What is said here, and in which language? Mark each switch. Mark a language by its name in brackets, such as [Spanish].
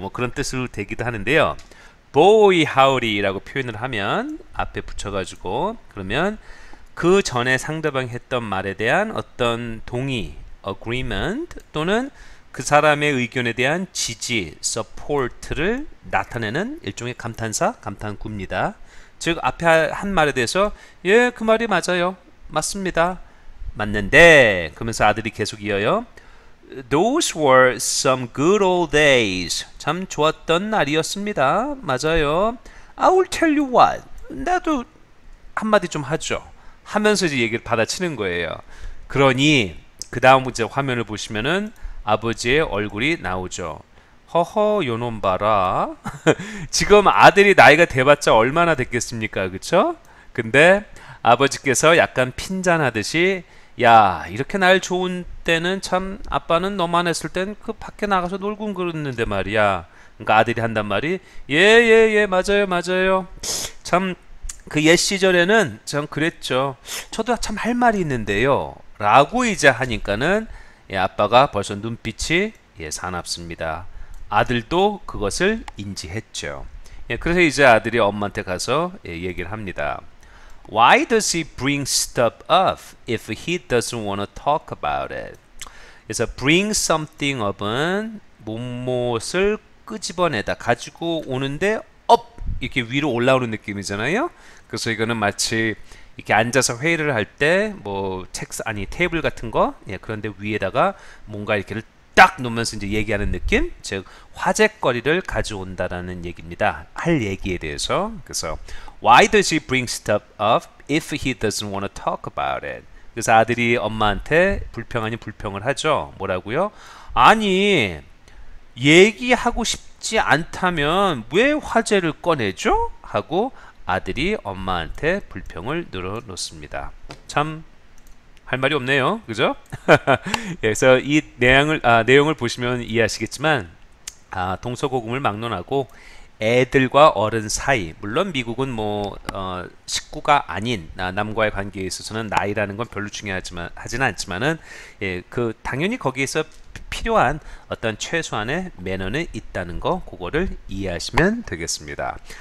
[Korean] 뭐 그런 뜻으로 되기도 하는데요. [English] Boy howdy [Korean] 라고 표현을 하면 앞에 붙여가지고 그러면 그 전에 상대방이 했던 말에 대한 어떤 동의, agreement 또는 그 사람의 의견에 대한 지지, support를 나타내는 일종의 감탄사, 감탄구입니다. 즉, 앞에 한 말에 대해서 예, 그 말이 맞아요. 맞습니다. 맞는데, 그러면서 아들이 계속 이어요. [English] Those were some good old days. [Korean] 참 좋았던 날이었습니다. 맞아요. [English] I will tell you what. [Korean] 나도 한마디 좀 하죠. 하면서 이제 얘기를 받아치는 거예요. 그러니 그 다음 문제 화면을 보시면은 아버지의 얼굴이 나오죠. 허허, 요놈 봐라. 지금 아들이 나이가 돼봤자 얼마나 됐겠습니까? 그쵸? 근데 아버지께서 약간 핀잔하듯이 야, 이렇게 날 좋은 때는 참 아빠는 너만 했을 땐그 밖에 나가서 놀고 그랬는데 말이야. 그러니까 아들이 한단 말이 예, 맞아요, 맞아요. 참그옛 시절에는 참 그랬죠. 저도 참할 말이 있는데요. 라고 이제 하니까는 예, 아빠가 벌써 눈빛이 예, 사납습니다. 아들도 그것을 인지했죠. 예, 그래서 이제 아들이 엄마한테 가서 예, 얘기를 합니다. [English] Why does he bring stuff up if he doesn't want to talk about it? [Korean] 그래서 [English] bring something up [Korean] 은 뭐뭐을 끄집어내다 가지고 오는데 up 이렇게 위로 올라오는 느낌이잖아요. 그래서 이거는 마치 이렇게 앉아서 회의를 할때뭐 책상 아니 테이블 같은 거 예, 그런데 위에다가 뭔가 이렇게 딱 놓으면서 이제 얘기하는 느낌, 즉 화제거리를 가져온다라는 얘기입니다. 할 얘기에 대해서. 그래서 [English] Why does he bring stuff up if he doesn't want to talk about it? [Korean] 그래서 아들이 엄마한테 불평하니 불평을 하죠. 뭐라고요? 아니, 얘기하고 싶지 않다면 왜 화제를 꺼내죠? 하고 아들이 엄마한테 불평을 늘어놓습니다. 참할 말이 없네요. 그죠? 그래서 이 내용을 보시면 이해하시겠지만 동서고금을 막론하고 애들과 어른 사이, 물론 미국은 뭐 식구가 아닌 남과의 관계에 있어서는 나이라는 건 별로 중요하지만 하진 않지만은 예, 그 당연히 거기에서 필요한 어떤 최소한의 매너는 있다는 거, 그거를 이해하시면 되겠습니다.